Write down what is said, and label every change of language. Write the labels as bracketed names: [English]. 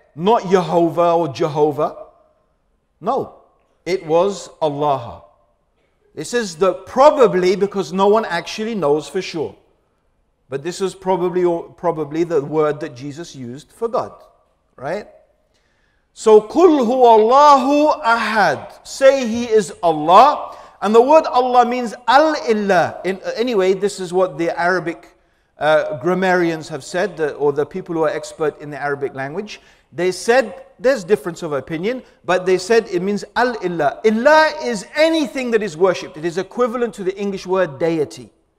[English] Not Yehovah or Jehovah. No, it was Allah. This is the probably, because no one actually knows for sure, but this is probably the word that Jesus used for God, right? So, [Arabic] قُلْ هُوَ اللَّهُ أَحَدْ. [English] Say He is Allah. And the word Allah means Al-Illah. Anyway, this is what the Arabic grammarians have said, or the people who are expert in the Arabic language. They said, there's difference of opinion, but they said it means Al-Illah. Illah is anything that is worshipped. It is equivalent to the English word deity.